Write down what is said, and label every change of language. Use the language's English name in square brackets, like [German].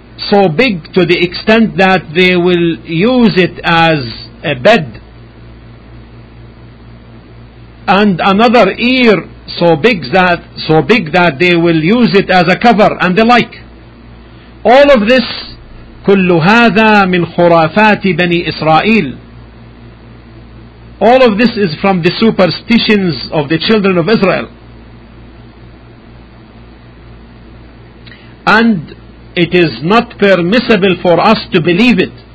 [English] so big to the extent that they will use it as a bed, and another ear so big that they will use it as a cover, and the like. All of this, [Arabic] كل هذا من خرافات بني إسرائيل. [English] All of this is from the superstitions of the children of Israel. And it is not permissible for us to believe it.